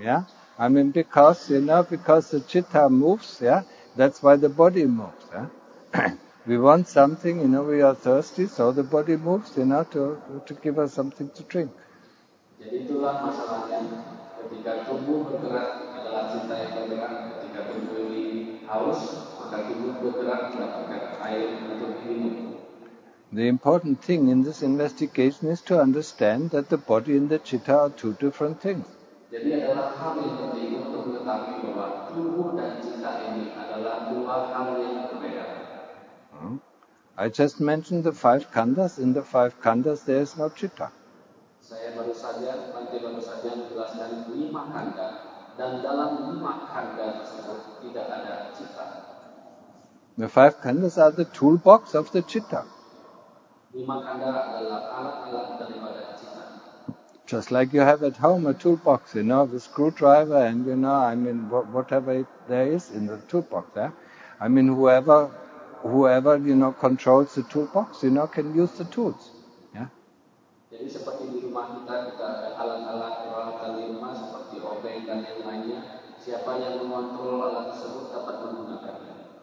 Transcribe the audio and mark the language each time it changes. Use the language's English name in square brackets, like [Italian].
[English] Yeah. I mean, because the citta moves. Yeah. That's why the body moves. Yeah. We want something, you know, we are thirsty, so the body moves, you know, to give us something to drink. [Indonesian] Jadi itulah masalahnya. Ketika tubuh bergerak adalah cinta yang bergerak. Ketika tubuh ini haus, maka tubuh bergerak mendapatkan air untuk minum. [English] The important thing in this investigation is to understand that the body and the citta are two different things. [Indonesian] Jadi adalah hal yang penting untuk mengetahui bahwa tubuh dan cinta ini adalah dua hal yang berbeda. [English] I just mentioned the five khandhas. In the five khandhas, there is no citta. [Indonesian] Saya baru saja menjelaskan lima khandha, dan dalam lima khandha tersebut tidak ada citta. [English] The five khandhas are the toolbox of the citta. [Indonesian] Lima khandha adalah alat-alat daripada citta. [English] Just like you have at home a toolbox, you know, the screwdriver and, you know, I mean, whatever there is in the toolbox. Yeah? I mean, whoever you know controls the toolbox, you know, can use the tools. Yeah. [Indonesian] Jadi seperti di rumah kita ada alat-alat peralatan di rumah seperti obeng dan yang lainnya. Siapa yang mengontrol alat tersebut dapat menggunakannya.